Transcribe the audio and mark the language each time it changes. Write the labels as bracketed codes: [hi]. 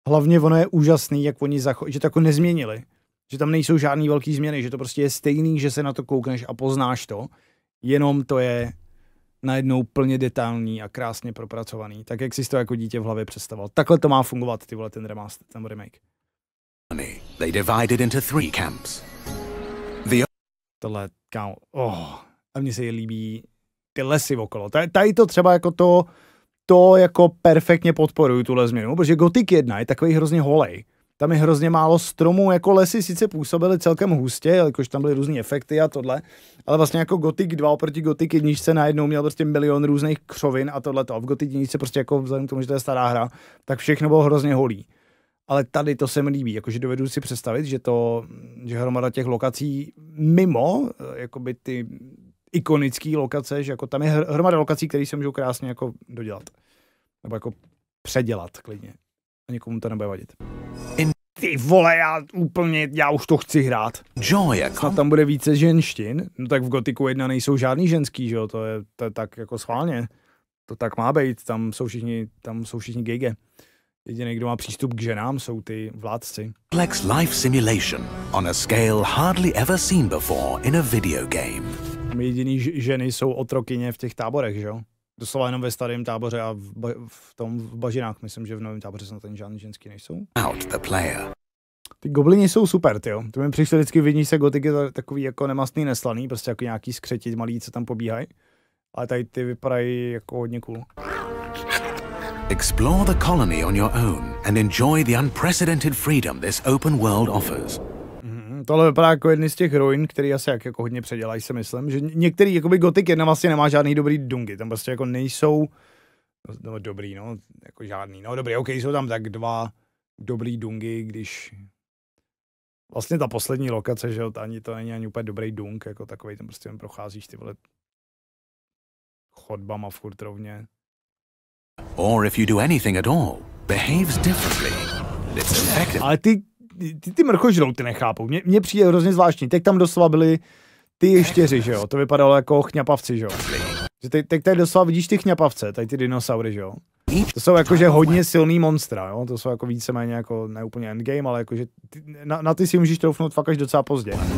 [cs] Hlavně ono je úžasný, jak oni že to jako nezměnili. Že tam nejsou žádný velký změny, že to prostě je stejný, že se na to koukneš a poznáš to. Jenom to je najednou plně detailní a krásně propracovaný, tak jak jsi to jako dítě v hlavě představoval. Takhle to má fungovat, ty vole, ten remaster, ten remake. [en] They divided into three camps. [cs] Tohle, kámo, oh, a mně se je líbí ty lesy okolo. Tady to třeba jako to jako perfektně podporuju, tuhle změnu, protože Gothic 1 je takový hrozně holej. Tam je hrozně málo stromů, jako lesy sice působily celkem hustě, jakož tam byly různý efekty a tohle, ale vlastně jako Gothic 2 oproti Gothic 1 se najednou měl prostě milion různých křovin a tohleto. A v Gothic 1 se prostě jako vzhledem k tomu, že to je stará hra, tak všechno bylo hrozně holý. Ale tady to se mi líbí, jakože dovedu si představit, že hromada těch lokací mimo, jakoby ty ikonické lokace, že jako tam je hromada lokací, které se můžou krásně jako dodělat. Nebo jako předělat klidně. A nikomu to nebude vadit. Ty vole, já už to chci hrát. Snad tam bude více ženštin. No tak v Gothicu 1 nejsou žádný ženský, že jo? To je tak jako schválně. To tak má být, tam jsou všichni gejge. Jediný, kdo má přístup k ženám, jsou ty vládci. [en] Flex life simulation on a scale hardly ever seen before in a video game. [cs] Jediný ženy jsou otrokyně v těch táborech, že jo? Doslova jenom ve starém táboře a v bažinách, myslím, že v novém táboře snad ten žádný ženský nejsou. [en] Out the player. [cs] Ty gobliny jsou super, tyjo. To mi přišlo vždycky vidí se Gothic je takový jako nemastný, neslaný, prostě jako nějaký skřetit malý, co tam pobíhají. Ale tady ty vypadají jako hodně cool. [en] Explore the colony on your own and enjoy the unprecedented freedom this open world offers. [cs] Tohle vypadá jako jedny z těch ruin, který asi jako hodně předělají, si myslím, že některý, jakoby Gothic 1 vlastně nemá žádný dobrý dungy, tam prostě jako nejsou, no dobrý, no, jako žádný, no dobrý, okej, jsou tam tak dva dobrý dungy, když vlastně ta poslední lokace, že jo, to není ani úplně dobrý dung, jako takovej, tam prostě procházíš ty vole chodbama furt rovně. [en] Or if you do anything at all, behaves differently. It's effective. [cs] Ale ty mrkožrouty nechápu, mně přijde hrozně zvláštní, teď tam doslova byly ty ještěři, že jo, to vypadalo jako chňapavci, že jo. Teď tady doslova vidíš ty chňapavce, tady ty dinosaury, že jo. To jsou jakože hodně silný monstra, jo, to jsou jako víceméně jako neúplně endgame, ale jakože na ty si můžeš troufnout fakt až docela pozdě.